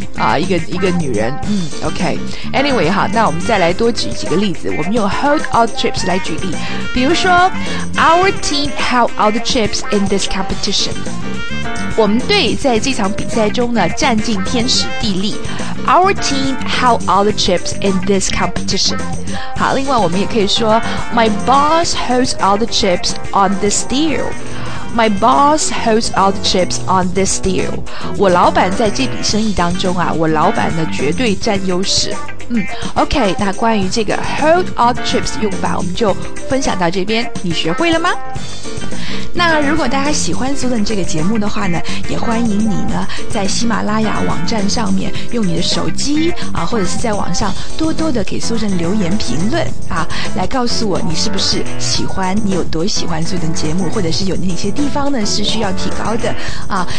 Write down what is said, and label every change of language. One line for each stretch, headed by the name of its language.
Chinese: 啊，一个女人，OK，
English: Anyway
Chinese: 哈，那我们再来多举几个例子，我们用
English: hold all the chips
Chinese: 来举例，比如说 ，
English: Our team held all the chips in this competition。
Chinese: 我们队在这场比赛中呢，占尽天时地利。
English: Our team held all the chips in this competition。
Chinese: 好，另外我们也可以说 ，
English: My boss holds all the chips on this deal。 My boss holds all the chips on this deal.
Chinese: 我老板在这笔生意当中啊，我老板呢绝对占优势。 OK， 那关于这个
English: hold all the chips
Chinese: 用法，我们就分享到这边，你学会了吗？那如果大家喜欢 Susan 这个节目的话呢，也欢迎你呢在喜马拉雅网站上面用你的手机啊，或者是在网上多多的给 Susan 留言评论啊，来告诉我你是不是喜欢，你有多喜欢 Susan 节目，或者是有哪些地方呢是需要提高的啊。